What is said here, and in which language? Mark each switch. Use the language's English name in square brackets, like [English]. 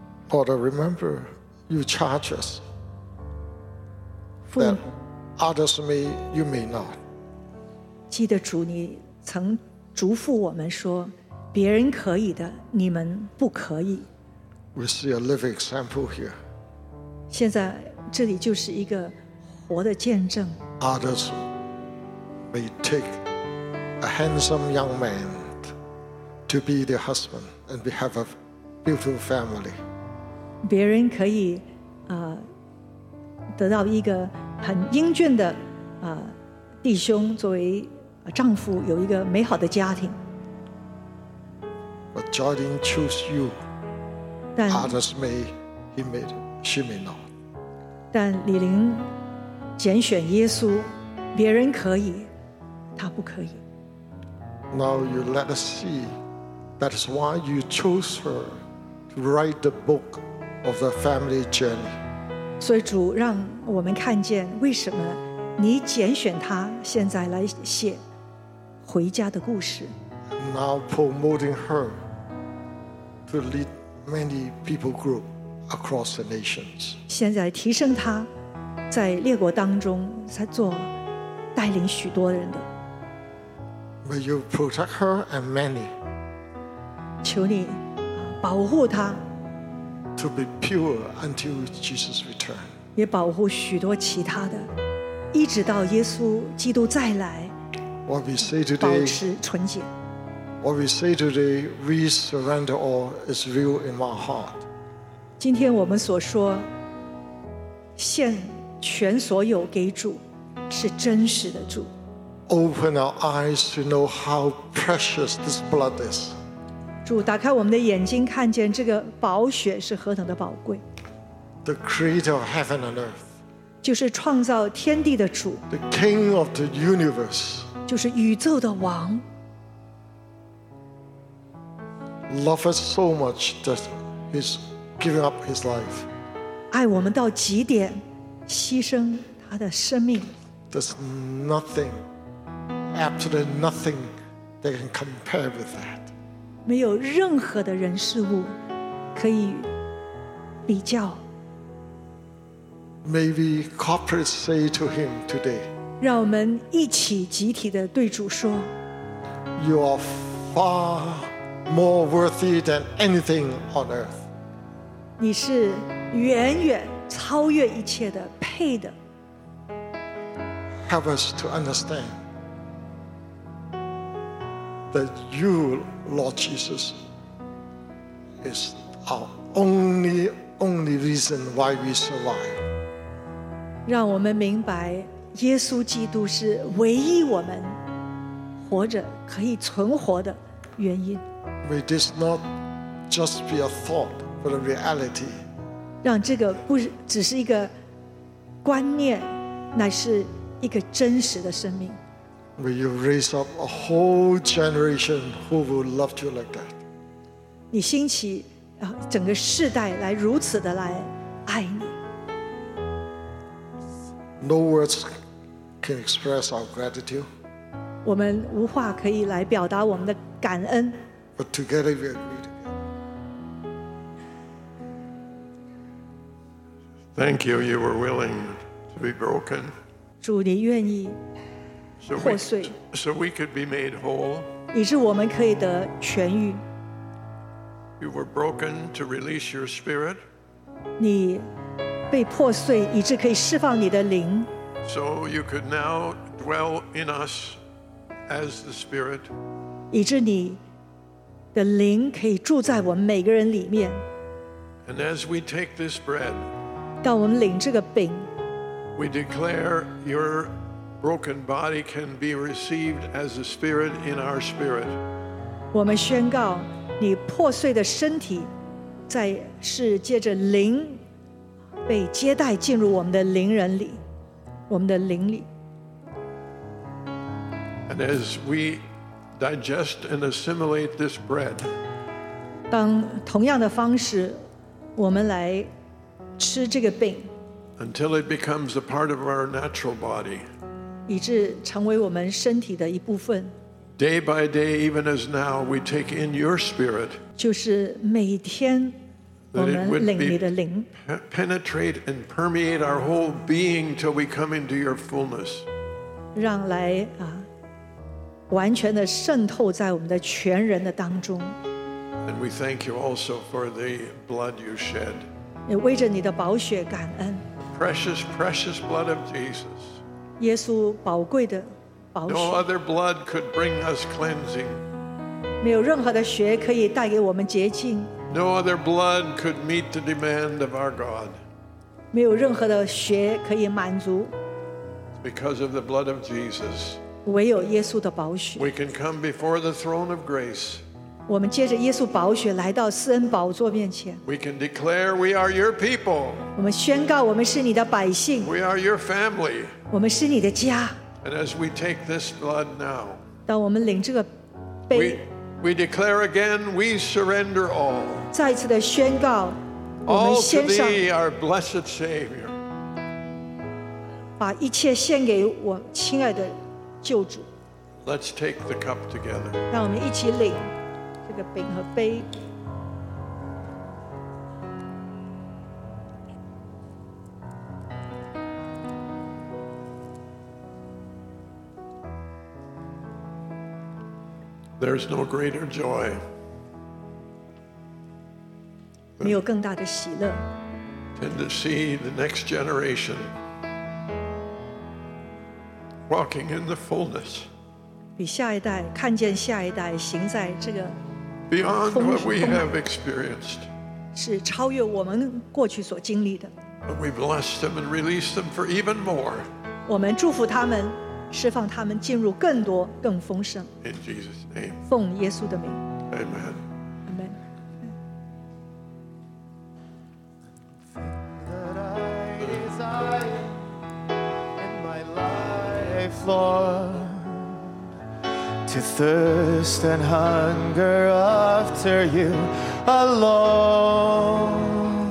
[English] Lord, remember you charge us. That others may, you may not. [Chinese] 记得主，你曾嘱咐我们说，别人可以的，你们不可以。 [English] We see a living example here. [Chinese] 现在这里就是一个活的见证。 [English] Others may take a handsome young man to be their husband and we have a beautiful family. [Chinese] 别人可以得到一个很英俊的弟兄作为丈夫有一个美好的家庭 [English] But God didn't choose you Others may he may she may not [Chinese] 但李玲拣选耶稣别人可以他不可以 [English] Now you let us see That is why you chose her to write the book of the family journey [Chinese] 所以主让我们看见为什么你拣选他现在来写回家的故事 [English] Now promoting her to lead many people group across the nations [Chinese] 现在提升他在列国当中在做带领许多人的 [English] May you protect her and many [Chinese] 求你保护他 [English] To be pure until Jesus returns. [Chinese] 也保护许多其他的，一直到耶稣基督再来。 [English] What we say today, [Chinese] 保持纯洁。 [English] What we say today, we surrender all is real in my heart. [Chinese] 今天我们所说，献全所有给主，是真实的主。 [English] Open our eyes to know how precious this blood is. [Chinese] 主打开我们的眼睛看见这个宝血是何等的宝贵 [English] The creator of heaven and earth [Chinese] 就是创造天地的主 [English] The king of the universe [Chinese] 就是宇宙的王 [English] Love us so much that he's giving up his life [Chinese] 爱我们到极点牺牲他的生命 [English] There's nothing absolutely nothing that can compare with that [Chinese] 没有任何的人事物可以比较 [English] May we corporate say to him today [Chinese] 让我们一起集体的对主说 [English] You are far more worthy than anything on earth [Chinese] 你是远远超越一切的配的 [English] Help us to understandThat you, Lord Jesus, is our only reason why we survive. [Chinese] 让我们明白，耶稣基督是唯一我们活着可以存活的原因。 [English] May this not just be a thought, but a reality. [Chinese] 让这个不只是一个观念，乃是一个真实的生命。 [English] Will you raise up a whole generation who will love you like that? [Chinese] 你兴起整个世代来如此的来爱你。 [English] No words can express our gratitude. [Chinese] 我们无话可以来表达我们的感恩。 [English] But together we agree together. Thank you. You were willing to be broken. [Chinese] 主，你愿意。 [English] So we could be made whole. [Chinese] 以致我们可以得痊愈。 [English] You were broken to release your spirit. [Chinese] 你被破碎以致可以释放你的灵。 [English] So you could now dwell in us as the spirit. [Chinese] 以致你的灵可以住在我们每个人里面。 [English] And as we take this bread, [Chinese] 当我们领这个饼, [English] we declare your broken body can be received as the spirit in our spirit. [Chinese] 我们宣告你破碎的身体在是借着灵被接待进入我们的灵人里，我们的灵里。 [English] And as we digest and assimilate this bread, [Chinese] 当同样的方式我们来吃这个饼， [English] until it becomes a part of our natural body, [Chinese] 以致成为我们身体的一部分。 [English] Day by day, even as now, we take in your spirit. [Chinese] 就是每天我们领你的灵。 [English] Penetrate and permeate our whole being till we come into your fullness. [Chinese] 让来完全的渗透在我们的全人的当中。 [English] And we thank you also for the blood you shed. [Chinese] 也为着你的宝血感恩。 [English] Precious, precious blood of Jesus. [Chinese] 耶稣宝贵的。 [English] No other blood could bring us cleansing. [Chinese] 没有任何的血可以带给我们洁净。 [English] No other blood could meet the demand of our God. [Chinese] 没有任何的血可以满足。 [English] Because of the blood of Jesus. [Chinese] 唯有耶稣的宝血。 [English] We can come before the throne of grace. [Chinese] 我们借着耶稣宝血来到施恩宝座面前。 [English] We can declare we are your people. [Chinese] 我们宣告我们是你的百姓。 [English] We are your family. [Chinese] 我们是你的家。 [English] And as we take this blood now, [Chinese] 当我们领这个杯, [English] we declare again, we surrender all. [Chinese] 再次的宣告, [English] all to thee, our blessed Savior. [Chinese] 把一切献给我亲爱的救主。 [English] Let's take the cup together. [Chinese] 让我们一起领这个饼和杯。 [English] There's no greater joy. [Chinese] 没有更大的喜乐。 [English] Than to see the next generation walking in the fullness. [Chinese] 比下一代看见下一代行在这个。 [English] Beyond what we have experienced. [Chinese] 是超越我们过去所经历的。 [English] But we bless them and release them for even more. [Chinese] 我们祝福他们。释放他们进入更多更丰盛 [English] In Jesus name [Chinese] 奉耶稣的名 [English] Amen Amen That I desire in my life Lord To thirst and hunger after you alone